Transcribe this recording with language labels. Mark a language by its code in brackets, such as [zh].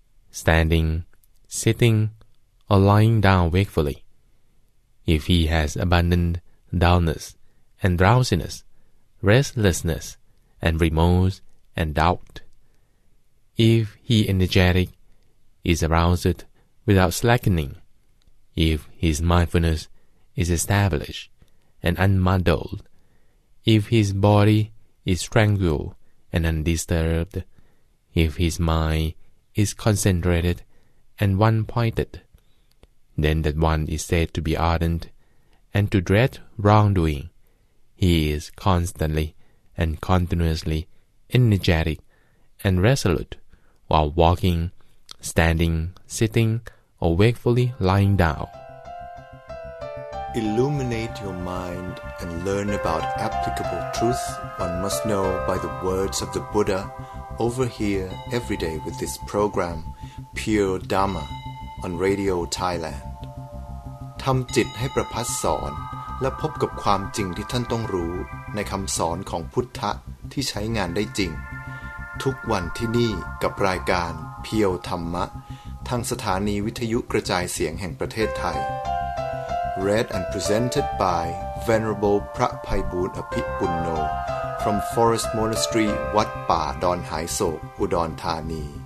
[en] standing, sitting, or lying down wakefully, if he has abandoned dullness and drowsiness, restlessness and remorse and doubt, if he energetic is aroused. Without slackening, if his mindfulness is established and unmuddled, if his body is tranquil and undisturbed, if his mind is concentrated and one-pointed, then that one is said to be ardent and to dread wrongdoing. He is constantly and continuously energetic and resolute while walking, standing, sitting,or wakefully lying down. Illuminate your mind and learn about applicable truth one must know by the words of the Buddha over here every day with this program, Pure Dharma, on Radio Thailand. [th] ทำจิตให้ประพัสสอนและพบกับความจริงที่ท่านต้องรู้ในคำสอนของพุทธะที่ใช้งานได้จริงทุกวันที่นี่กับรายการเพียวธรรมะทางสถานีวิทยุกระจายเสียงแห่งประเทศไทย [en] Read and presented by Venerable [th] พระไพบูลย์อภิปุณโญ from Forest Monastery วัดป่าดอนหายโศกอุดรธานี